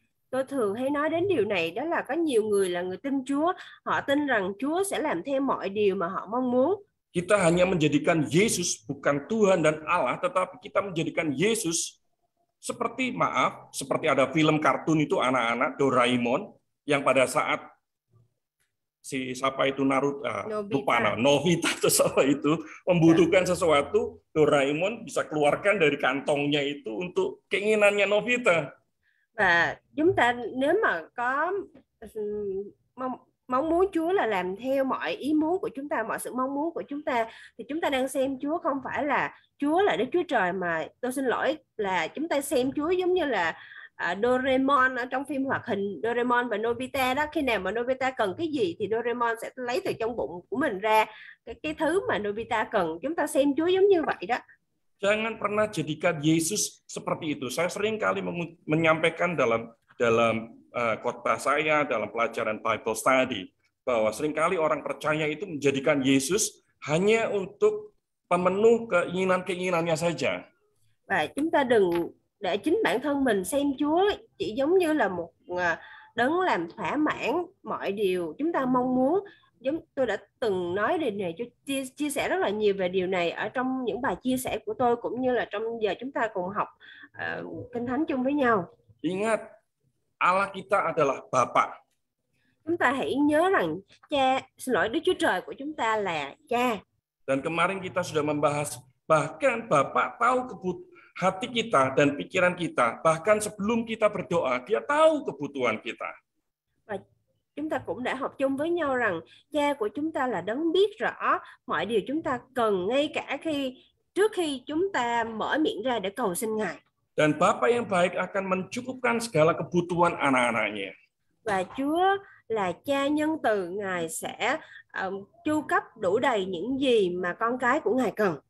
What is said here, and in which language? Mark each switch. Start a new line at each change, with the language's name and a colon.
Vietnamese: Tôi thường hay nói đến điều này, đó là có nhiều người là người tin Chúa, họ tin rằng Chúa sẽ làm theo mọi điều mà họ mong muốn.
Indonesian: Kita hanya menjadikan Yesus bukan Tuhan dan Allah, tetapi kita menjadikan Yesus seperti, maaf, seperti ada film kartun itu anak-anak, Doraemon, yang pada saat si siapa itu Naruto, lupa nama, Novita atau siapa itu membutuhkan sesuatu, Doraemon bisa keluarkan dari kantongnya itu untuk keinginannya Novita.
Vietnamese: Và chúng ta nếu mà có mong muốn Chúa là làm theo mọi ý muốn của chúng ta, mọi sự mong muốn của chúng ta, thì chúng ta đang xem Chúa không phải là Chúa là Đức Chúa Trời, mà tôi xin lỗi là chúng ta xem Chúa giống như là Doraemon ở trong phim hoạt hình Doraemon và Nobita đó. Khi nào mà Nobita cần cái gì thì Doraemon sẽ lấy từ trong bụng của mình ra cái thứ mà Nobita cần. Chúng ta xem Chúa giống như vậy đó.
Indonesian: Jangan pernah jadikan Yesus seperti itu. Saya sering kali menyampaikan dalam khotbah saya, dalam pelajaran Bible study, bahwa seringkali orang percaya itu menjadikan Yesus hanya untuk pemenuh keinginan-keinginannya saja.
Vietnamese: Và chúng ta đừng để chính bản thân mình xem Chúa chỉ giống như là một đấng làm thỏa mãn mọi điều chúng ta mong muốn. Giống tôi đã từng nói đề này cho chia sẻ rất là nhiều về điều này ở trong những bài chia sẻ của tôi cũng như là trong giờ chúng ta cùng học Kinh Thánh chung với nhau.
Indonesian: Ingat, Allah kita adalah Bapa.
Vietnamese: Chúng ta hãy nhớ rằng Cha, xin lỗi, Đức Chúa Trời của chúng ta là Cha.
Indonesian: Dan kemarin kita sudah membahas bahkan Bapa tahu hati kita dan pikiran kita, bahkan sebelum kita berdoa, Dia tahu kebutuhan kita.
Vietnamese: Chúng ta cũng đã học chung với nhau rằng Cha của chúng ta là đấng biết rõ mọi điều chúng ta cần ngay cả khi trước khi chúng ta mở miệng ra để cầu xin Ngài.
Indonesian: Dan Bapa yang baik akan mencukupkan segala kebutuhan anak-anaknya.
Vietnamese: Và Chúa là Cha nhân từ, Ngài sẽ chu cấp đủ đầy những gì mà con cái của Ngài cần.